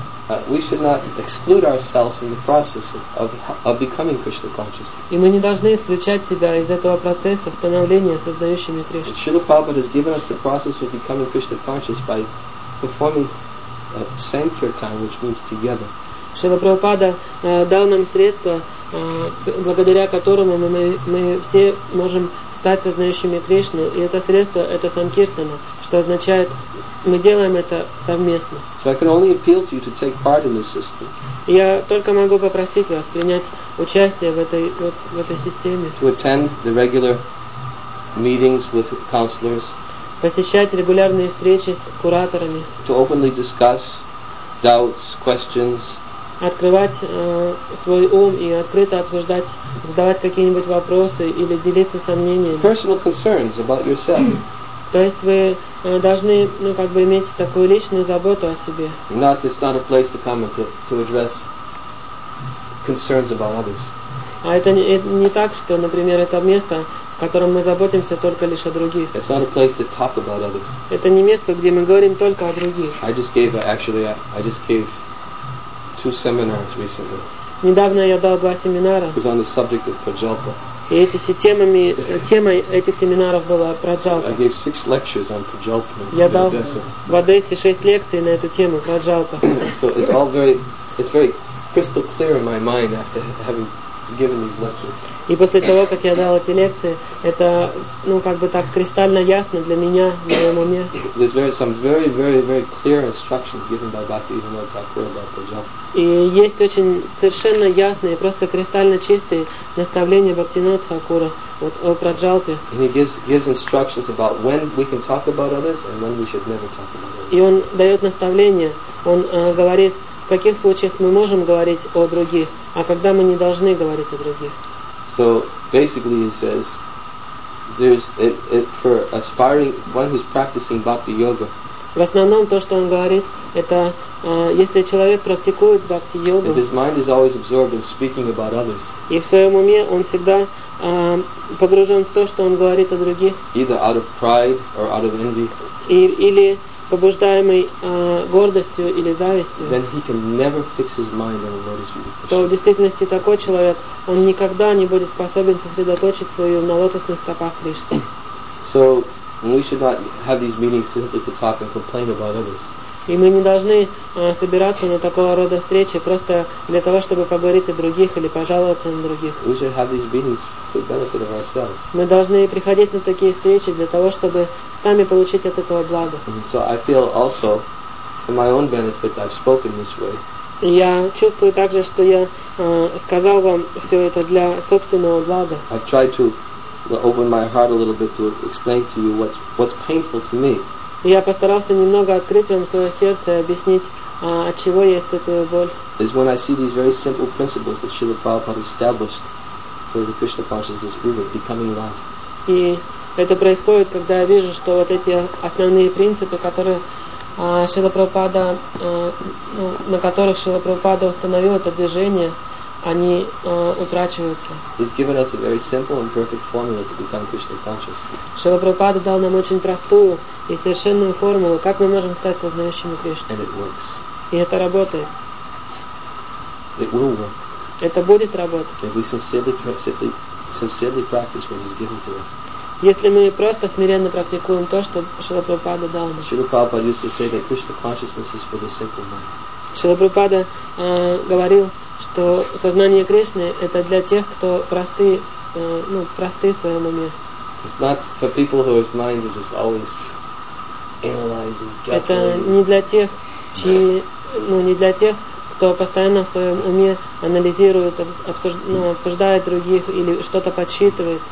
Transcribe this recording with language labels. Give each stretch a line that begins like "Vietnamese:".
English: And we should not exclude ourselves from the process of becoming Krishna conscious.
Russian: И мы не должны исключать себя из этого процесса становления создающими Кришну.
English: Шрила Прабхупада has given us the process of becoming Krishna conscious by performing sankirtan, which means together.
Russian: Шрила Прабхупада дал нам средства, благодаря которому мы все можем стать сознающими Кришну, и это средство это санкиртана, что означает мы делаем это совместно.
English: So I can only appeal to you to take part in this system.
Russian: Я только могу попросить вас принять участие в этой системе.
English: To attend the regular meetings with counselors.
Russian: Посещать регулярные встречи с кураторами.
English: To openly discuss doubts, questions.
Russian: Открывать свой ум и открыто обсуждать, задавать какие-нибудь вопросы или делиться сомнениями.
English: Personal concerns about yourself.
Russian: То есть вы должны, иметь такую личную заботу о себе.
English: Not, it's not a place to come and to address concerns about others.
Russian: А это не так, что, например, это место, в котором мы заботимся только лишь о других.
English: It's not a place to talk about others.
Russian: Это не место, где мы говорим только о других.
English: I just gave two seminars recently.
Russian: Недавно я дал два семинара.
English: It was on the subject of Prajalpa.
Russian: И темой этих семинаров была Праджалпа.
English: I gave six lectures on Prajalpa.
Russian: Я дал в Одессе шесть лекций на эту тему Праджалпа.
English: So it's very crystal clear in my mind after having given these lectures.
Russian: И после того, как я дал эти лекции, это так кристально ясно для меня в моем уме.
English: There's some very clear instructions given by Bhaktivinoda Thakur about Prajalpa.
Russian: И есть очень совершенно ясные, просто кристально чистые наставления Бхактивинода Тхакура Вот о праджалпе.
English: And he gives instructions about when we can talk about others and when we should never talk about others.
Russian: И он дает наставление. Он говорит, в каких случаях мы можем говорить о других, а когда мы не должны говорить о других.
English: So basically he says, there's for aspiring one who's practicing bhakti yoga.
Russian: В основном то, что он говорит, это если человек практикует бхакти йогу.
English: His mind is always absorbed in speaking about others.
Russian: И в своем уме он всегда погружен в то, что он говорит о других.
English: Either out of pride or out of envy.
Russian: Или побуждаемый гордостью или завистью.
English: Then he can never fix his mind on Lord Sri Krishna.
Russian: То в действительности такой человек, он никогда не будет способен сосредоточить свою на лотосных стопах Кришны.
English: So we should not have these meetings simply to talk and complain about others.
Russian: И мы не должны собираться на такого рода встречи просто для того, чтобы поговорить о других или пожаловаться на других.
English: We should have these meetings to benefit of ourselves.
Russian: Мы должны приходить на такие встречи для того, чтобы сами получить от этого благо.
English: So I feel also, for my own benefit, I've spoken this way.
Russian: Я чувствую также, что я сказал вам все это для собственного блага.
English: I've tried to open my heart a little bit to explain to you what's painful to me.
Russian: Я постарался немного открыть вам свое сердце и объяснить, от чего я испытываю боль.
English: Is when I see these very simple principles that Srila Prabhupada established for the Krishna consciousness movement becoming lost.
Russian: И это происходит, когда я вижу, что вот эти основные принципы, которые Шрила Прабхупада, на которых Шрила Прабхупада установил это движение, они утрачиваются.
English: He's given us a very simple and perfect formula to become Krishna conscious.
Russian: Шрила Прабхупада дал нам очень простую и совершенную формулу, как мы можем стать сознающими Кришну.
English: And it works.
Russian: И это работает.
English: It will work.
Russian: Это будет работать.
English: If we sincerely practice what is given to us.
Russian: Если мы просто смиренно практикуем то, что Шрила Прабхупада дал нам.
English: Шрила Прабхупада used to say that Krishna consciousness is for the simple man.
Russian: Шрила Прабхупада говорил, что сознание Кришны это для тех, кто просты, ну, просты в своем уме.
English: It's not for people whose minds are just always analyzing, guessing.
Russian: Это не для тех, чьи, ну, не для тех, кто постоянно в своем уме анализирует, обсуждает других или что-то подсчитывает.